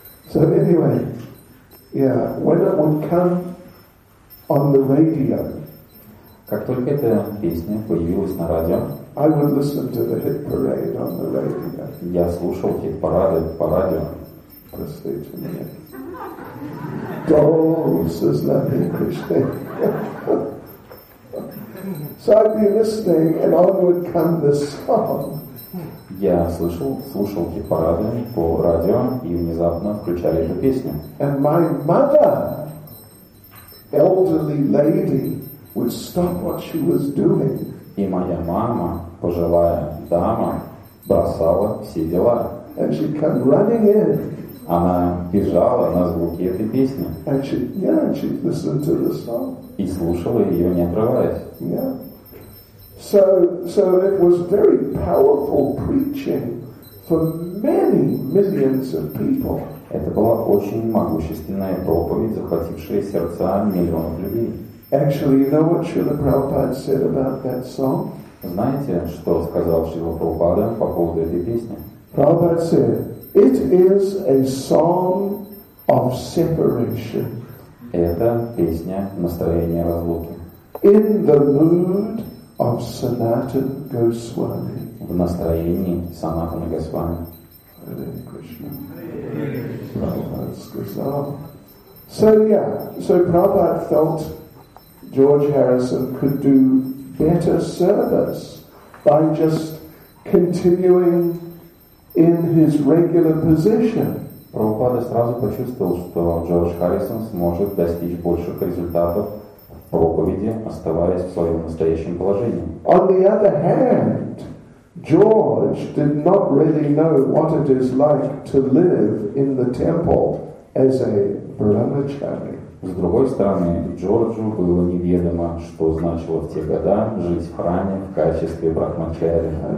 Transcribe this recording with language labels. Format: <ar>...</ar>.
<en>So anyway, yeah, when it would come on the radio,</en> <ru>как только эта песня появилась на радио,</ru> <en>I would listen to the hit parade on the radio.</en> <ru>Я слушал эти парады по радио. Простите меня.</ru> <en>Dolls is nothing Christian. So I'd be listening, and on would come this song.</en> <ru>Я слушал хит-парады по радио, и внезапно включали эту песню.</ru> <en>And my mother, elderly lady, would stop what she was doing.</en> <ru>И моя мама, пожилая дама, бросала все дела.</ru> <en>And she'd come running in.</en> <ru>Она бежала на звуки этой песни.</ru> <en>And she, yeah, and she'd listen to the song.</en> <ru>И слушала ее, не отрываясь.</ru> <en>Yeah. So it was very powerful preaching for many millions of people.</en> <ru>Это была очень могущественная проповедь, захватившая сердца миллионов людей.</ru> <en>Actually, you know what Srila Prabhupada said about that song?</en> <ru>Знаете, что сказал Шрила Прабхупада по поводу этой песни?</ru> <en>Prabhupada said, it is a song of separation.</en> <ru>Это песня настроения разлуки.</ru> <en>In the mood of Sanatan Goswami.</en> <ru>В настроении Санатана Госвами. Hare Krishna. Prabhupada сказал.</ru> <en>So yeah, so Prabhupada felt George Harrison could do better service by just continuing in his regular position.</en> <ru>Прабхупада сразу почувствовал, что Джордж Харрисон сможет достичь больших результатов проповеди, оставаясь в своем настоящем положении.</ru> <en>On the other hand, George did not really know what it is like to live in the temple as a brahmachari.</en> <ru>С другой стороны, Джорджу было неведомо, что значило в те года жить в храме в качестве брахмачари.</ru>